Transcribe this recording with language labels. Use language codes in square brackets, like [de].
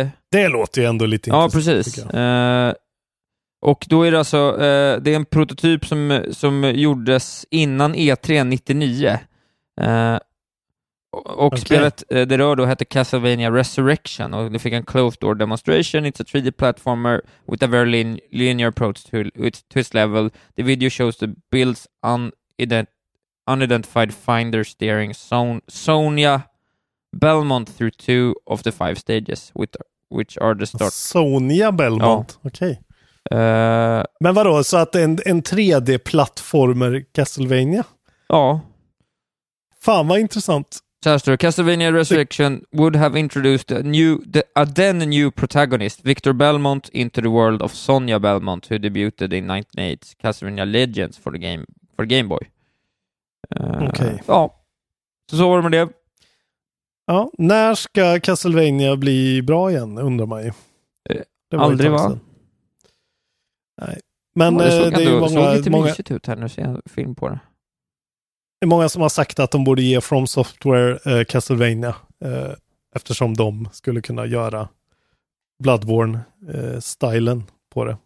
[sv] det låter ju ändå lite intressant. Ja, precis. Och då är det alltså det är en prototyp som gjordes innan E3 99. Och spelet det rör då heter Castlevania Resurrection och det fick en closed door demonstration. [en] It's a 3D platformer with a very linear approach to its level. The video shows the build's unidentified finder steering Sonya Belmont through 2 of the 5 stages which are the start. [sv] Sonya Belmont, ja. Okej. Men vadå, så att en 3D platformer Castlevania? Ja. Fan vad intressant. [en] Chester, Castlevania Resurrection would have introduced a new protagonist, Victor Belmont, into the world of Sonya Belmont, who debuted in 1998's Castlevania Legends for Game Boy. [sv] Okej. Okay. Ja. Så var det med det. Ja, när ska Castlevania bli bra igen, undrar man ju. Det var aldrig, va? Nej. Men det är ju många... Det såg lite mysigt ut här, nu ser jag film på det. Det är många som har sagt att de borde ge From Software Castlevania eftersom de skulle kunna göra Bloodborne-stylen på det.